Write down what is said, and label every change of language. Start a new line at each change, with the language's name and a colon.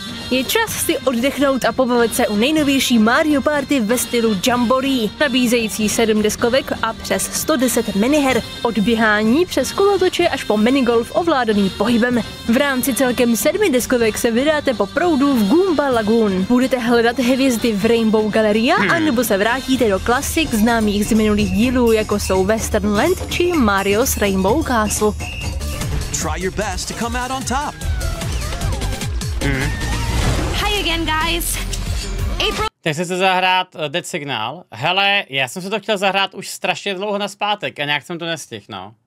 Czech: Je čas si oddechnout a pobavit se u nejnovější Mario Party ve stylu Jamboree, nabízející 7 deskovek a přes 110 miniher, od běhání přes kolotoče až po minigolf ovládaný pohybem. V rámci celkem 7 deskovek se vydáte po proudu v Goomba Lagoon. Budete hledat hvězdy v Rainbow Galleria, anebo se vrátíte do klasik známých z minulých dílů, jako jsou Western Land či Mario's Rainbow Castle.
English: Try your best to come out on top.
Czech: Teď jsem se zahrát Dead Signal. Hele, já jsem se to chtěl zahrát už strašně dlouho na zpátek a nějak jsem to nestihl, no.